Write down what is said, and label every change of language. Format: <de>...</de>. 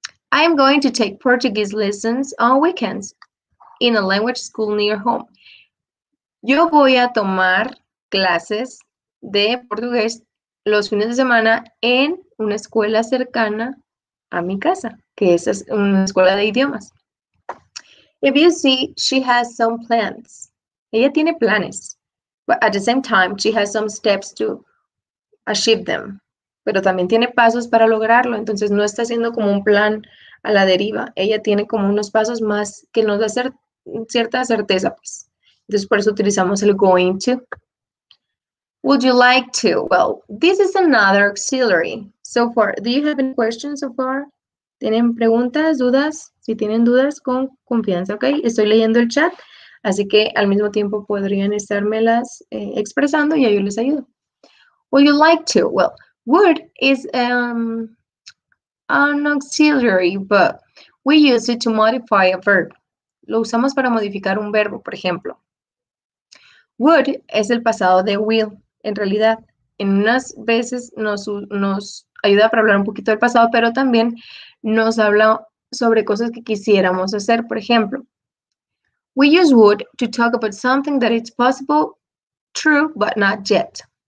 <en>I am going to take Portuguese lessons on weekends in a language school near home.</en> <es>Yo voy a tomar clases de portugués los fines de semana en una escuela cercana a mi casa, que es una escuela de idiomas.</es> <en>If you see, she has some plans.</en> <es>Ella tiene planes.</es> <en>But at the same time, she has some steps to achieve them.</en> <es>Pero también tiene pasos para lograrlo. Entonces, no está haciendo como un plan a la deriva. Ella tiene como unos pasos más que nos da cierta certeza, pues. Entonces, por eso utilizamos el going to.</es> <en>Would you like to? Well, this is another auxiliary. So far, do you have any questions so far?</en> <es>¿Tienen preguntas, dudas? Si tienen dudas, con confianza, ¿ok? Estoy leyendo el chat, así que al mismo tiempo podrían estármelas expresando y yo les ayudo.</es> <en>Would you like to? Well, would is an auxiliary, but we use it to modify a verb.</en> <es>Lo usamos para modificar un verbo, por ejemplo. Would es el pasado de will, en realidad. En unas veces nos ayuda para hablar un poquito del pasado, pero también nos habla sobre cosas que quisiéramos hacer, por ejemplo.</es> <en>We use would to talk about something that is possible, true, but not yet.</en>